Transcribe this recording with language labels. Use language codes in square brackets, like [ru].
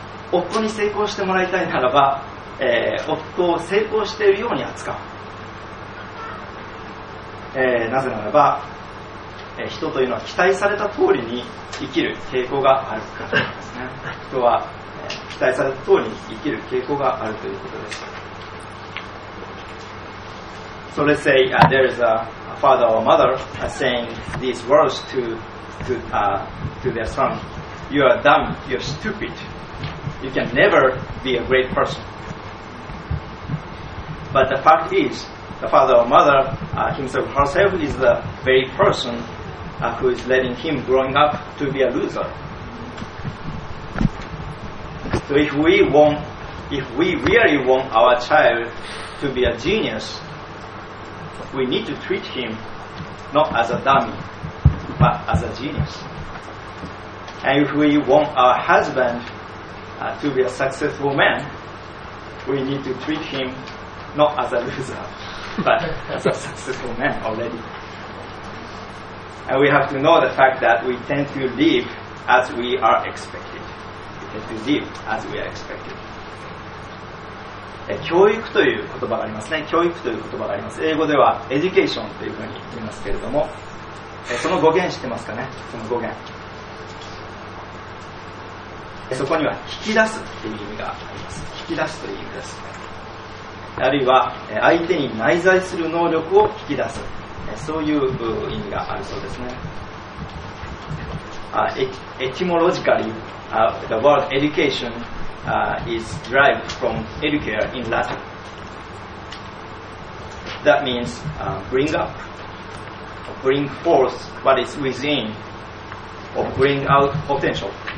[ja] 夫に成功してもらいたいならば、夫を成功しているように扱う。なぜならば、人というのは期待された通りに生きる傾向があるからですね。人は、期待された通りに生きる傾向があるということです。 [en] So let's say there is a father or mother saying these words to their son. You are dumb, you are stupid. You can never be a great person.But the fact is, the father or mother, himself or herself, is the very person who is letting him growing up to be a loser. So if we really want our child to be a genius, we need to treat him not as a dummy, but as a genius. And if we want our husband to be a successful man, we need to treat him not as a loser, but as a successful man already. And we have to know the fact that we tend to live as we are expected. We tend to live as we are expected. [ja] 教育という言葉がありますね。教育という言葉があります。英語では education というふうに言いますけれども、その語源知ってますかね。その語源、そこには引き出すという意味があります。引き出すという意味です。あるいは相手に内在する能力を引き出す、そういう意味があるそうですね。 [en] Etymologically, the word educationis derived from educare in Latin. That means bring up, bring forth what is within, or bring out potential.